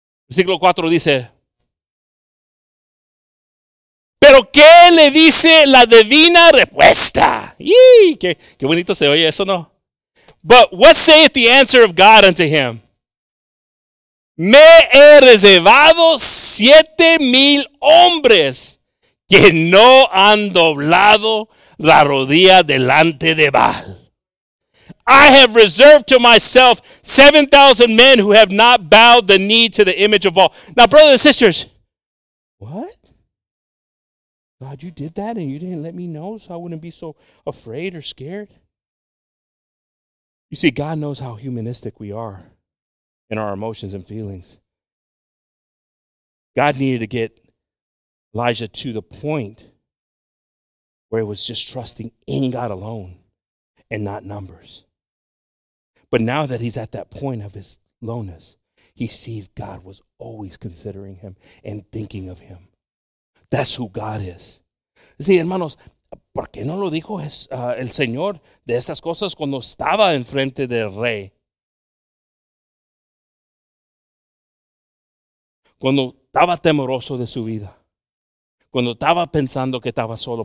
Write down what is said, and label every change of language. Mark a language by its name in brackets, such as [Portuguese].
[Spanish] Versículo 4 dice, ¿pero qué le dice la divina respuesta? ¡Qué bonito se oye eso, no! [English] But what saith the answer of God unto him? [Spanish] Me he reservado 7,000 hombres que no han doblado la rodilla delante de Baal. [English] I have reserved to myself 7,000 men who have not bowed the knee to the image of Baal. Now, brothers and sisters, what? God, you did that and you didn't let me know so I wouldn't be so afraid or scared? You see, God knows how humanistic we are in our emotions and feelings. God needed to get Elijah to the point where it was just trusting in God alone and not numbers. But now that he's at that point of his lowness, he sees God was always considering him and thinking of him. That's who God is. [Spanish] See, hermanos, ¿por qué no lo dijo el Señor de esas cosas cuando estaba enfrente del rey? Cuando estaba temeroso de su vida. Cuando estaba pensando que estaba solo.